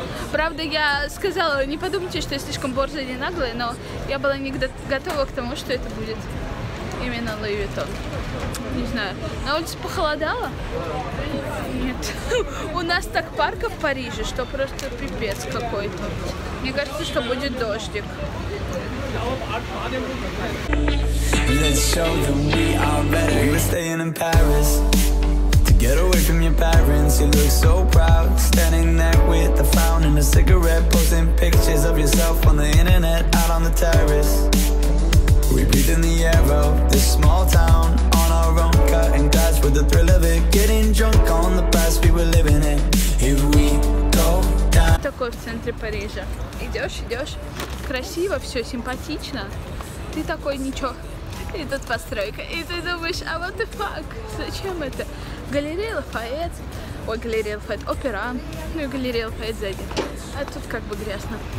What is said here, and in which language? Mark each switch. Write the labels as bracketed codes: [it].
[ru] Правда, я сказала, не подумайте, что я слишком борзая или наглая, но я была не готова к тому, что это будет именно Louis Vuitton. Не знаю. На улице похолодало? Нет. У нас так парка в Париже, что просто пипец какой-то. Мне кажется, что будет дождик. [en] Let's show them we are better. We were staying in Paris to get away from your parents. You look so proud standing there with a fountain and a cigarette, posting pictures of yourself on the internet, out on the terrace. We breathe in the air of this small town on our own, cutting glass with the thrill of it, getting drunk on the past we were living in. If we go down. [ru] Такой в центре Парижа. Идешь, красиво, все симпатично. Ты такой ничего. И тут постройка. И ты думаешь, а [en] what the fuck? [ru] Зачем это? галерея Лафайет, опера, ну и галерея Лафайет сзади. А тут как бы грязно.